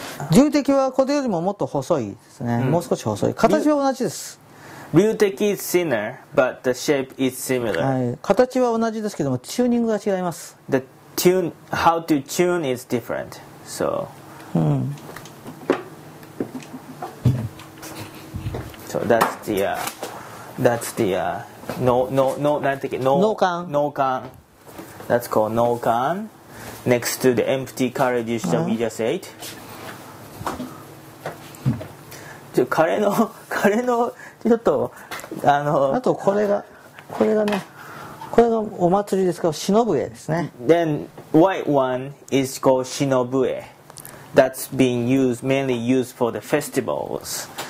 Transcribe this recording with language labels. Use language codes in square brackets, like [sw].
[ja] 竜笛はこれよりももっと細いですね。もう少し細い。形は同じです。 [en] 竜笛 is thinner, but the shape is similar. [ja] 形は同じですけどもチューニングが違います。 [en] The tune, how to tune is different. So. So that's the no [ja] なんていうの脳幹 [en] that's called 脳幹 next to the empty cartridge that we just ate. [ja] じゃあカレーのちょっとあとこれがねこれがお祭りですか忍ぶえですね。 [en] Then white one is called 忍ぶえ。 That's being used mainly used for the festivals.